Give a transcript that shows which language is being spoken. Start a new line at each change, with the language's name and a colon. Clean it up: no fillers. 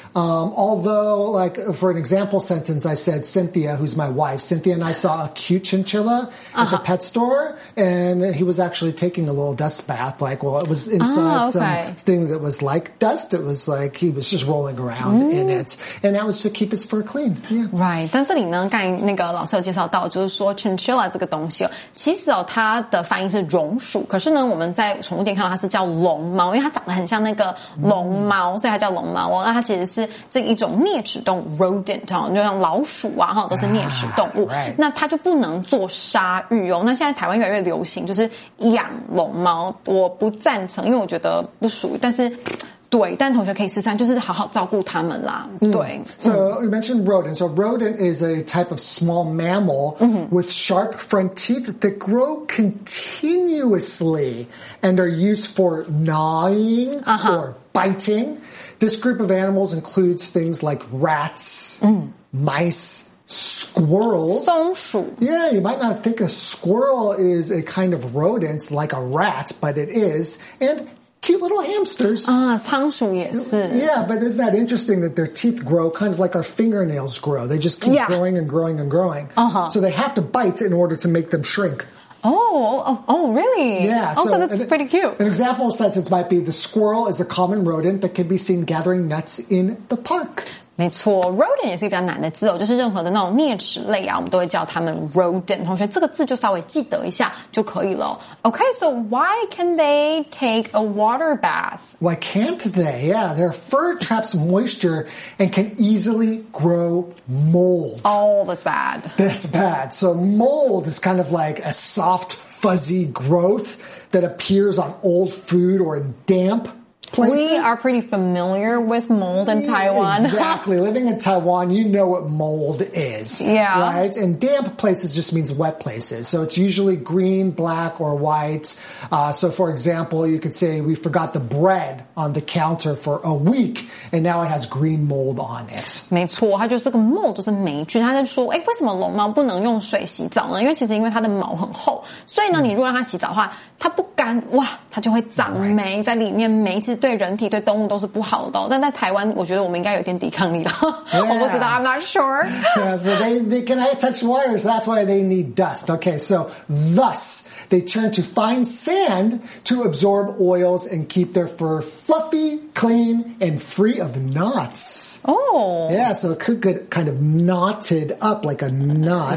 English: Although, like, for an example sentence, I said, Cynthia, who's my wife, Cynthia and I saw a cute chinchilla at the pet store, and he was actually taking a little dust bath. Like, well, it was inside something that was like dust. It was like he was just rolling around in it. And that was to keep his fur clean. Yeah. Right.
Chinese: 但这里呢，刚才那个老师有介绍到，就是说 chinchilla 这个东西，其实哦，它的发音是绒鼠，可是呢，我们在宠物店看到它是叫龙猫，因为它长得很像那个龙猫，所以它叫龙猫。那它其实是这一种啮齿动物 rodent 就像老鼠啊都是啮齿动物、那它就不能做鲨鱼哦。那现在台湾越来越流行就是养龙猫，我不赞成，因为我觉得不属于，但是对，但同学可以试试，就是好好照顾他们啦。对。
English: So you mentioned rodent. So rodent is a type of small mammal with sharp front teeth that grow continuously and are used for gnawing or biting. This group of animals includes things like rats, mice, squirrels.
Chinese: 松鼠.
English: Yeah, you might not think a squirrel is a kind of rodent like a rat, but it is. And cute little hamsters.
Chinese: 仓鼠也是.
English: Yeah, but isn't that interesting that their teeth grow kind of like our fingernails grow? They just keep growing and growing and growing. So they have to bite in order to make them shrink. Oh, really? Yeah. So that's pretty cute. An example sentence might be, the squirrel is a common rodent that can be seen gathering nuts in the park.
Chinese: 没错 ,rodent 也是一个比较难的字哦，就是任何的那种啮齿类啊，我们都会叫他们 rodent。同学，这个字就稍微记得一下就可以了。
English: Okay, so why can they take a water bath? Why can't they? Yeah, their fur traps moisture and can easily grow mold. Oh, that's bad. That's bad. So mold is kind of like a soft, fuzzy growth that appears on old food or in damp places. We are pretty familiar with mold in Taiwan. Exactly. Living in Taiwan, you know what mold is. Yeah. Right? And damp places just means wet places. So it's usually green, black, or white. So for example, you could say we forgot the bread on the counter for a week, and now it has green mold on it.
Chinese: 没错，它就是这个 mold 就是霉菌。它在说，哎，为什么龙猫不能用水洗澡呢？因为其实因为它的毛很厚，所以呢，你如果让它洗澡的话，它不干，哇，它就会长霉在里面，霉。其实对人体对动物都是不好的、哦、但在台湾我觉得我们应该有点抵抗力了、
English: yeah.
Chinese: 我不知道
English: I'm not sure yeah, so they can touch water, so that's why they need dust. Okay, so thus they turn to fine sand to absorb oils and keep their fur fluffy, clean, and free of knots. Yeah, so it could get kind of knotted up like a knot.